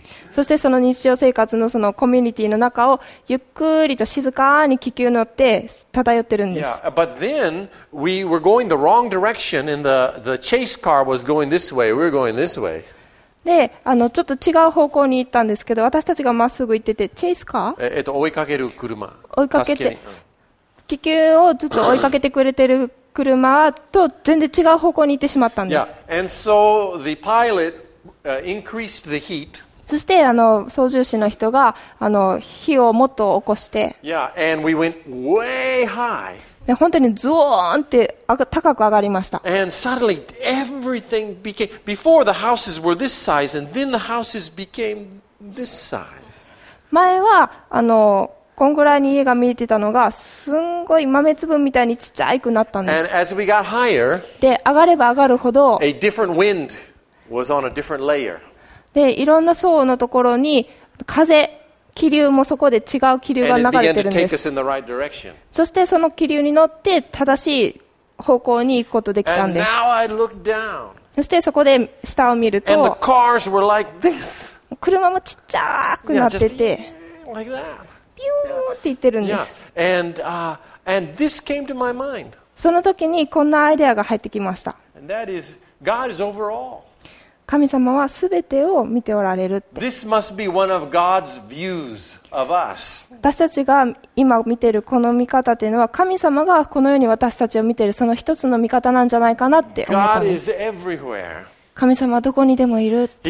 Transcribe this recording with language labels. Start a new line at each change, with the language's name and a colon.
Japanese: そしてその日常生活のそのコミュニティの中をゆっくりと静かに気球乗って漂ってるんです。
English: Yeah, but then we were going the wrong direction, and the chase car was going this way. We were going this way.
Japanese: で、ちょっと違う方向に行ったんですけど、私たちがまっすぐ行ってて、チェイスカー？追いかける車。追いかけて、気球をずっと追いかけてくれてる車と全然違う方向に行ってしまったんです。 Yeah.
English: And so the pilot, increased the heat.
Japanese: そして操縦士の人が火をもっと起こして。
English: Yeah. And we went way high.
Japanese: で本当にズオーンって高く上がりました。
English: And suddenly everything became, before the houses were this size, and then the houses became this size.
Japanese: 前はこんぐらいに家が見えてたのが、すんごい豆粒みたいにちっちゃくなったんです。
English: And as we got higher,
Japanese: で上がれば上がるほど、
English: a different wind was on a different layer.
Japanese: でいろんな層のところに風、気流もそこで違う気流が流れてるんです。
English: And it began to take us in the
Japanese: right、そしてその気流に乗って正しい方向に行くことできたんです。
English: And now I look down.
Japanese: そしてそこで下を見ると、
English: And the cars were like this.
Japanese: 車もちっちゃくなってて、
English: yeah, just like that.
Japanese: ピューって言ってるんです。 Yeah.
English: And, and this came to my mind.
Japanese: その時にこんなアイデアが入ってきました。
English: And that is, God is over all.
Japanese: 神様はすべてを見ておられるって。
English: This must be one of God's views of us.
Japanese: 私たちが今見ているこの見方っていうのは、神様がこのように私たちを見ているその一つの見方なんじゃないかなって思ったんです。
English: God is everywhere.
Japanese: 神様はどこにでもいるって。